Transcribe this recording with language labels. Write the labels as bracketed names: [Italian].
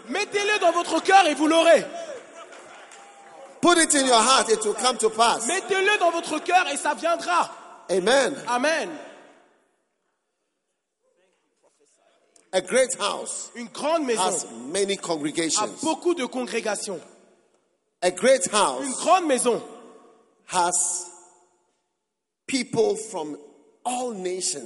[French] Mettez-le dans votre cœur et vous l'aurez. [English] Put it in your heart, it will come to pass. [French] Mettez-le dans votre cœur et ça viendra. Amen. Amen. [English] A great house. [French] Une grande maison. [English] Has many congregations. [French] A beaucoup de congrégations. [English] A great house. [French] Une grande maison. [English] Has people from all nations.